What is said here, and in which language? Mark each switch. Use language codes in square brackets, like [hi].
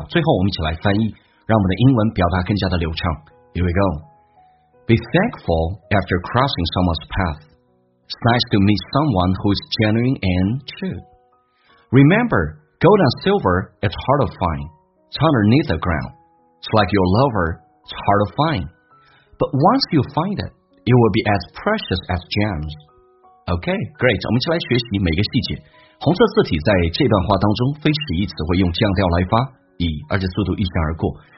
[zh] 最后我们一起来翻译，让我们的英文表达更加的流畅。 [en] Here we go. Be thankful after crossing someone's path. It's nice to meet someone who is genuine and true. Remember, gold and silver is hard to find. It's underneath the ground. It's like your lover. It's hard to find. But once you find it, it will be as precious as gems. Okay, great. [zh] 我们一起来学习每个细节。红色字体在这段话当中非使一词会用降调来发，以而且速度一闪而过。